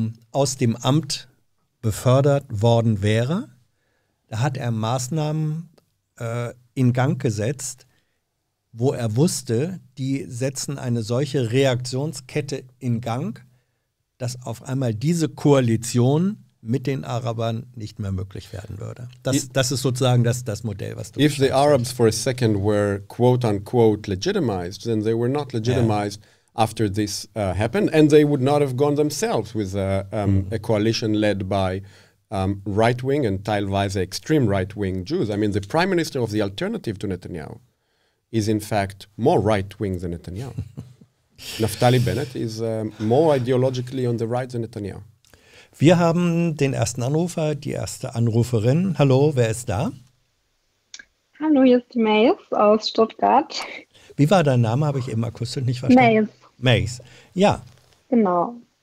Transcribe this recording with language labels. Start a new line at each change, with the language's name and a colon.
German: aus dem Amt befördert worden wäre, da hat er Maßnahmen in Gang gesetzt, wo er wusste, die setzen eine solche Reaktionskette in Gang, dass auf einmal diese Koalition mit den Arabern nicht mehr möglich werden würde. Das ist sozusagen das Modell, was du...
English: If the Arabs for a second were quote-unquote legitimized, then they were not legitimized after this happened, and they would not have gone themselves with a coalition led by right-wing and teilweise extreme right-wing Jews. I mean, the prime minister of the alternative to Netanyahu is in fact more right-wing than Netanyahu. Naftali Bennett is more ideologically on the right than Netanyahu.
German: Wir haben den ersten Anrufer, die erste Anruferin. Hallo, wer ist da? Hallo, hier ist die Mays aus Stuttgart. Wie war dein Name? Habe ich eben akustisch nicht verstanden. Mays. Ja. Genau.